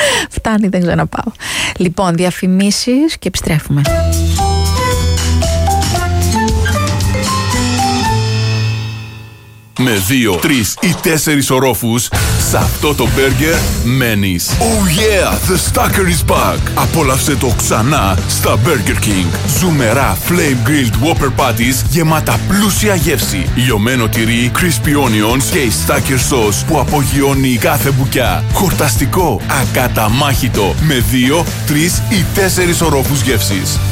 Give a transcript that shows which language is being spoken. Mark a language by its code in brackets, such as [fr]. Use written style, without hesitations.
[el] Φτάνει, δεν ξαναπάω. Λοιπόν, διαφημίσεις και επιστρέφουμε. Με δύο, τρεις ή τέσσερις ορόφους, σε αυτό το μπέργκερ μένεις. [en] Oh yeah, the Stacker is back. [el] Απόλαυσε το ξανά στα Burger King. Ζουμερά flame grilled whopper patties γεμάτα πλούσια γεύση. Λιωμένο τυρί, crispy onions και η Stacker sauce που απογειώνει κάθε μπουκιά. Χορταστικό, ακαταμάχητο. Με δύο, τρεις ή τέσσερις ορόφους γεύσης.